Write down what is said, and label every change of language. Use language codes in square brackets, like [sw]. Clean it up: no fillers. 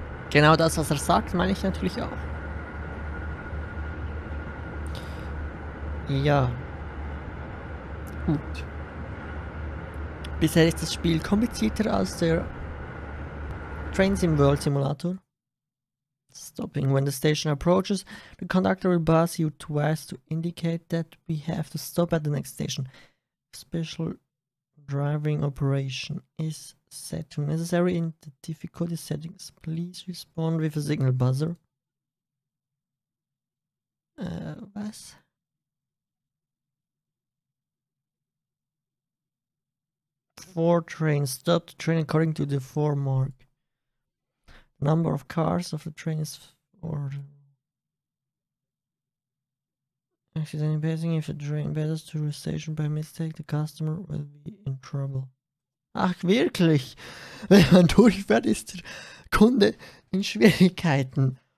[de] Genau das, was er sagt, meine ich natürlich auch. Ja. Gut. Bisher ist das Spiel komplizierter als der Trains in World Simulator. [en] Stopping when the station approaches, the conductor will buzz you twice to indicate that we have to stop at the next station. Special driving operation is set to necessary in the difficulty settings. Please respond with a signal buzzer. [de] Was? [en] Four trains. Stop the train according to the four mark. Number of cars of the train is 4. Actually, then passing if a train passes through a station by mistake, the customer will be in trouble. [de] Ach, wirklich? Wenn man durchfährt, ist der Kunde in Schwierigkeiten.